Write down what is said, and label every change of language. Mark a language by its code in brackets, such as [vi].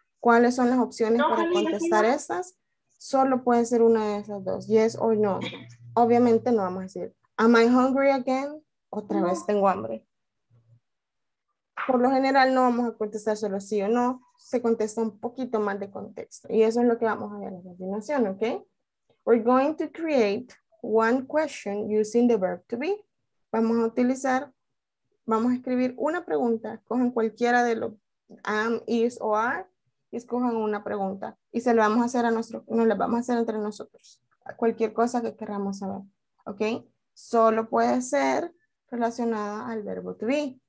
[es] ¿Cuáles son las opciones para contestar estas? Solo puede ser una de esas dos. Yes o no. Obviamente no vamos a decir [en] Am I hungry again? [es] Otra vez tengo hambre. Por lo general no vamos a contestar solo sí o no. Se contesta un poquito más de contexto. Y eso es lo que vamos a ver a continuación, ¿ok? [en] We're going to create one question using the verb to be. [es] Vamos a utilizar, vamos a escribir una pregunta. Cogen cualquiera de los am, is o are. Y escojan una pregunta. Y se la vamos a hacer a nuestro, nos la vamos a hacer entre nosotros. Cualquier cosa que queramos saber, ¿ok? Solo puede ser relacionada al verbo to be.